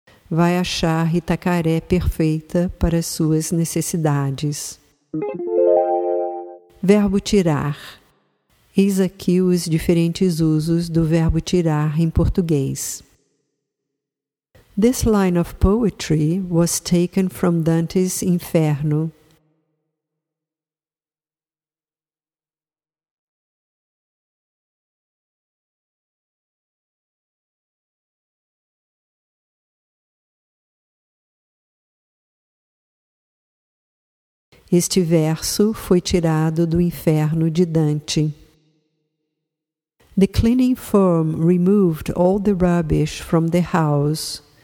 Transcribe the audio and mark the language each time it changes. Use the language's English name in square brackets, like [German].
[Portuguese] Vai achar Itacaré perfeita para suas necessidades. Verbo tirar. Eis aqui os diferentes usos do verbo tirar em português. [English] This line of poetry was taken from Dante's Inferno. [Portuguese] Este verso foi tirado do Inferno de Dante. [English] The cleaning firm removed all the rubbish from the house.